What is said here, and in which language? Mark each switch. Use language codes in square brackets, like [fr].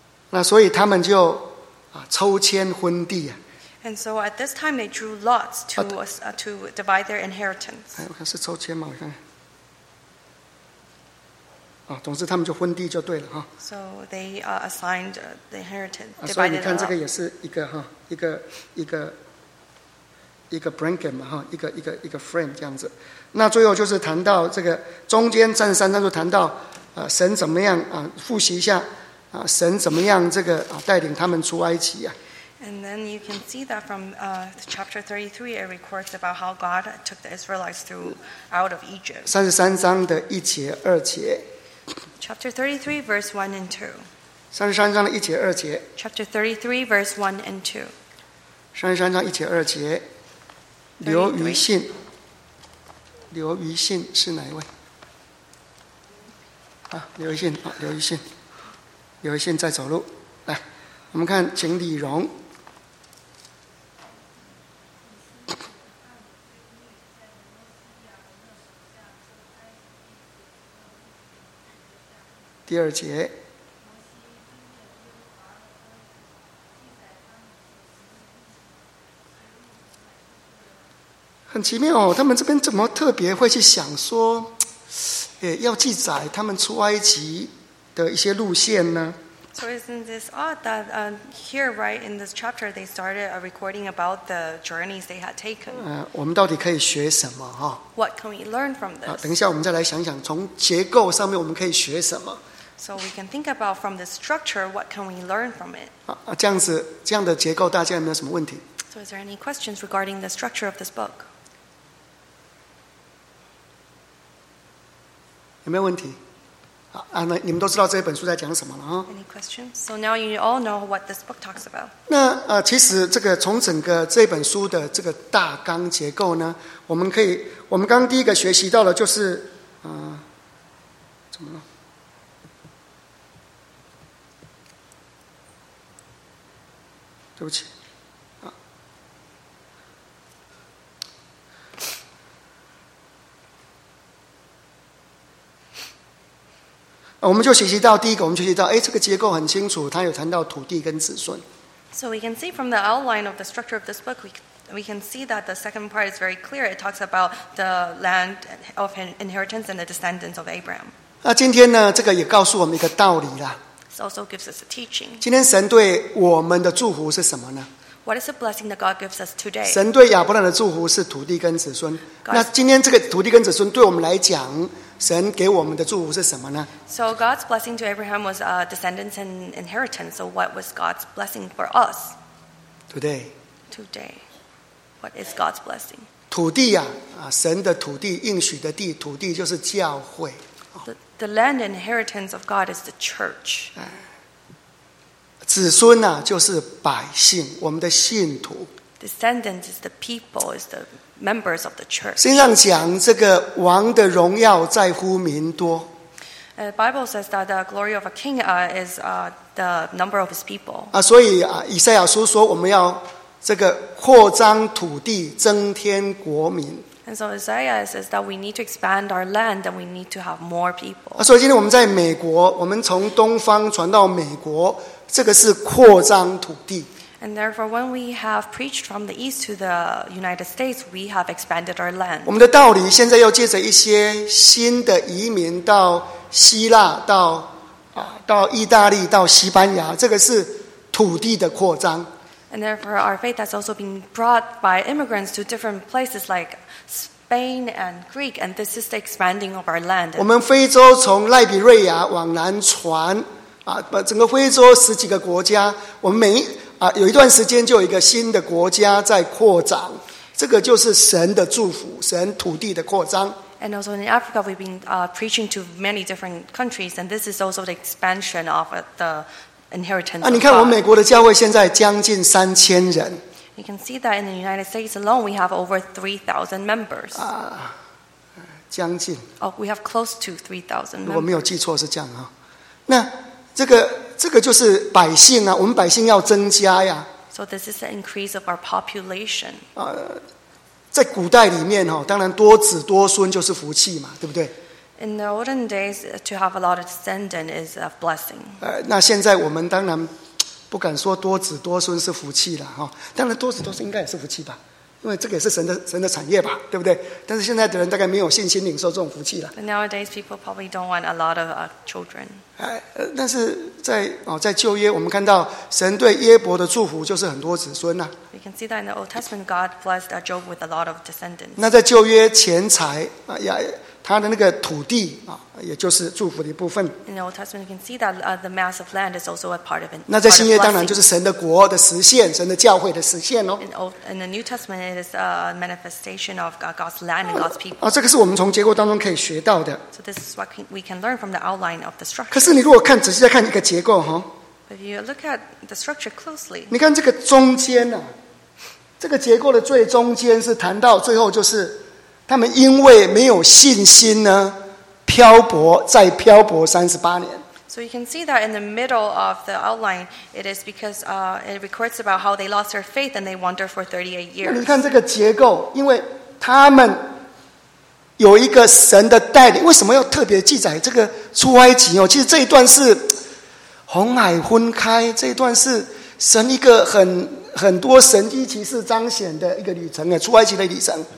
[zh] 那所以他们就抽签分地啊。 [en] And so at this time they drew lots to divide their inheritance. [zh] 哎，我看是抽签嘛，我看看。总之他们就分地就对了哈。 [en] So they assigned the inheritance. [zh] 所以你看这个也是一个哈，一个 bracket 嘛哈，一个 frame 这样子。那最后就是谈到这个中间三十三章就谈到神怎么样复习一下。神怎么样？这个带领他们出埃及啊 [en] ？And then you can see that from chapter 33, it records about how God took the Israelites through out of Egypt. [zh] 三十三章的一节二节。 [en] Chapter 33, verse 1 and 2. [zh] 三十三章的一节二节。 [en] Chapter 33, verse 1 and 2. [zh] 三十三章一节二节。刘余信，刘余信是哪一位？刘余信。有线在走路。来，我们看，请李荣。第二节。很奇妙哦，他们这边怎么特别会去想说，要记载他们出埃及的一些路线呢？ [en] So isn't this odd that here right in this chapter they started a recording about the journeys they had taken? [zh] 我们到底可以学什么哈？ [en] What can we learn from this? [zh] 等一下我们再来想想，从结构上面我们可以学什么？ [en] So we can think about from the structure, what can we learn from it? [zh] 这样子，这样的结构大家有没有什么问题？ [en] So is there any questions regarding the structure of this book? [zh] 有没有问题？那你们都知道这本书在讲什么了 [en] 啊？Any questions? So now you all know what this book talks about. [zh] 那其实这个从整个这本书的这个大纲结构呢，我们可以，我们刚第一个学习到的就是，怎么了？对不起，我们就学习到第一个，我们学习到，这个结构很清楚，它有谈到土地跟子孙。 [en] So we can see from the outline of the structure of this book, we can see that the second part is very clear. It talks about the land of inheritance and the descendants of Abraham. [zh] 今天呢，这个也告诉我们一个道理啦。 [en] Also gives us a teaching. [zh] 今天神对我们的祝福是什么呢？ [en] What is the blessing that God gives us today? [zh] 神对亚伯兰的祝福是土地跟子孙。那今天这个土地跟子孙对我们来讲，神给我们的祝福是什么呢？ [en] So God's blessing to Abraham was a descendants and inheritance. So what was God's blessing for us? Today. What is God's blessing? [zh] 土地呀，神的土地，应许的地，土地就是教会。 [en] The land inheritance of God is the church. [zh] 子孙啊，就是百姓，我们的信徒。 [en] Descendants is the people, is the members of the church. [zh] 经上讲，这个王的荣耀在乎民多。 [en] The Bible says that the glory of a king is the number of his people. [zh] 所以以赛亚书说，我们要这个扩张土地，增添国民。 [en] And so Isaiah says that we need to expand our land and we need to have more people. [zh] 所以今天我们在美国，我们从东方传到美国，这个是扩张土地。 [en] And therefore, when we have preached from the east to the United States, we have expanded our land. [zh] 我们的道理现在又借着一些新的移民到希腊、到意大利、到西班牙，这个是土地的扩张。 [en] And therefore, our faith has also been brought by immigrants to different places like Spain and Greek, and this is the expanding of our land. [zh] 我们非洲从赖比瑞亚往南传，整个非洲十几个国家，我们每有一段时间就有一个新的国家在扩张，这个就是神的祝福，神土地的扩张。 [en] And also in Africa, we've been preaching to many different countries, and this is also the expansion of the inheritance. [zh] 你看我们美国的教会现在将近三千人。 [en] You can see that in the United States alone, we have over 3,000 members. [zh] 将近。 [en] Oh, we have close to 3,000. [zh] 如果没有记错是这样啊。那这个就是百姓啊，我们百姓要增加呀。 [en] So this is the increase of our population. [zh] 在古代里面哈，当然多子多孙就是福气嘛，对不对？ [en] In the olden days, to have a lot of descendants is a blessing. [zh] 那现在我们当然不敢说多子多孙是福气了哈，当然多子多孙应该也是福气吧，因为这个也是神的产业吧，对不对？但是现在的人大概没有信心领受这种福气了。 [en] But nowadays, people probably don't want a lot of children. [zh] 但是在旧约，我们看到神对约伯的祝福就是很多子孙呐。 [en] We can see that in the Old Testament, God blessed Job with a lot of descendants. [zh] 那在旧约钱财他的那个土地也就是祝福的一部分。 [en] In the Old Testament, you can see that the mass of land is also a part of it. [zh] 那在新约当然就是神的国的实现，神的教会的实现哦。 [en] In the New Testament, it is a manifestation of God's land and God's people. [zh] 这个是我们从结构当中可以学到的。 [en] So this is what we can learn from the outline of the structure. [zh] 可是你如果看仔细再看一个结构哈。 [en] If you look at the structure closely. [zh] 你看这个中间这个结构的最中间是谈到最后就是。他们因为没有信心呢，漂泊再漂泊三十八年。 [en] So you can see that in the middle of the outline, it is because it records about how they lost their faith and they wander for 38 years. [zh] 你看这个结构，因为他们有一个神的带领，为什么要特别记载这个出埃及哦？其实这一段是红海分开，这一段是神一个很多神迹奇事彰显的一个旅程，出埃及的旅程。